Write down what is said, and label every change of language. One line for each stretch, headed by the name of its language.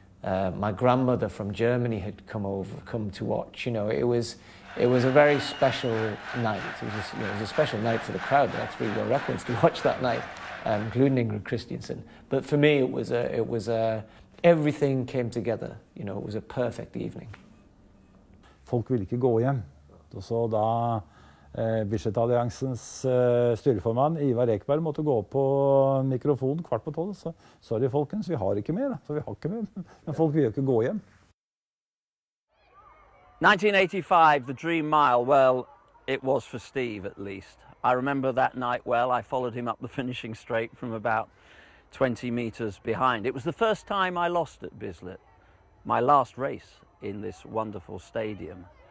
English: My grandmother from Germany had come to watch. You know, it was a very special night. It was a special night for the crowd. There were 3 world records to watch that night, including Ingrid Kristiansen. But for me, it was a everything came together, you know, it was a perfect evening.
Norwegian: Folk ville ikke gå hjem. Så da Bislett-alliansens styreformann Ivar Ekberg måtte gå på mikrofonen kvart på 12, så sorry folkens, vi har ikke mer, så vi har ikke mer, men folk vil jo ikke gå hjem.
English: 1985, the dream mile, well, it was for Steve at least. I remember that night well. I followed him up the finishing straight from about 20 meters behind. It was the first time I lost at Bislett, my last race in this wonderful stadium.